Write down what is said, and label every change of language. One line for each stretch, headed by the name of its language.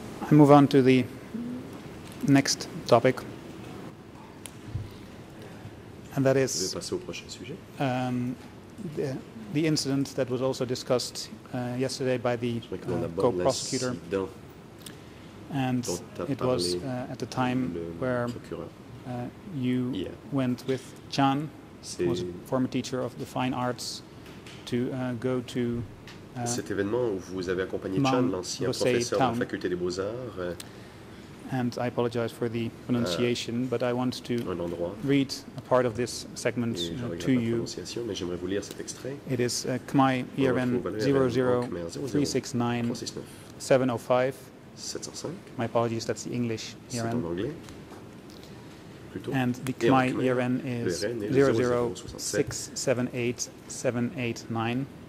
English: I move on to the next topic, and that is the incident that was also discussed yesterday by the co-prosecutor, and it was at the time where you went with Chan, who was a former teacher of the fine arts, to go to
French: cet événement où vous avez accompagné Chan, l'ancien professeur de la faculté des beaux-arts.
English: And I apologize for the pronunciation, but I want to
French: un endroit.
English: Read a part of this segment to you.
French: Mais j'aimerais vous lire cet extrait.
English: It is Khmer IRN 00369705. My apologies, that's the English IRN. And the Khmer IRN is 00678789.